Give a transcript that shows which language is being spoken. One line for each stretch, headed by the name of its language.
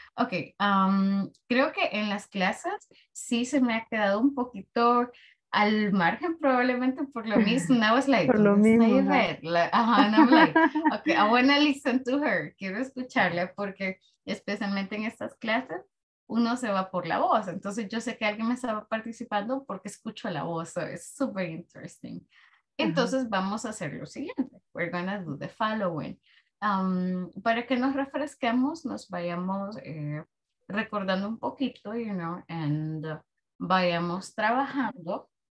Spanish: Okay, creo que en las clases sí se me ha quedado un poquito al margen, probablemente por lo mismo.
English: And I was like,
Spanish: por lo mismo.
English: And I'm like, okay, I want to listen to her.
Spanish: Quiero escucharla porque especialmente en estas clases uno se va por la voz. Entonces yo sé que alguien me estaba participando porque escucho la voz. So it's super interesting. Entonces vamos a hacer lo siguiente. We're going to do the following. Para que nos refresquemos, nos vayamos recordando un poquito, you know, and vayamos trabajando.